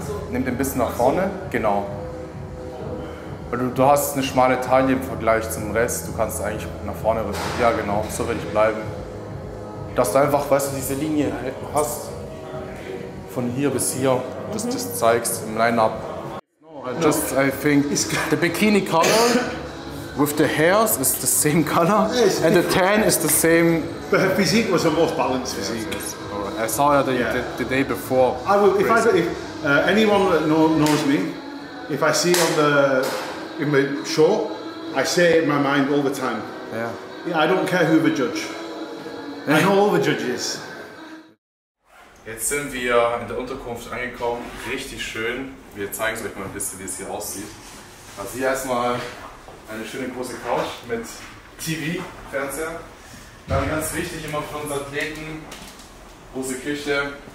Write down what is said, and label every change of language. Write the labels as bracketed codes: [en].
[de] Nimm den ein bisschen nach vorne. Genau. Weil du hast eine schmale Taille im Vergleich zum Rest. Du kannst eigentlich nach vorne rücken. Ja, genau. So will ich bleiben. Dass du einfach, weißt du, diese Linie hast. Von hier bis hier. Dass du das zeigst im Line-Up. [en] No, I think the bikini color. With the hairs, it's the same color, and the tan is the same. But her physique was a more balanced physique. Yes, yes. All right. I saw her the day before. I will, if anyone that knows me, if I see on the in my show, I say it in my mind all the time. Yeah. I don't care who the judge. I know all the judges. [de] Jetzt sind wir in der Unterkunft angekommen. Richtig schön. Wir zeigen euch mal ein bisschen, wie es hier aussieht. Also hier erstmal. Eine schöne große Couch mit TV, Fernseher. Dann ganz wichtig immer für unsere Athleten, große Küche.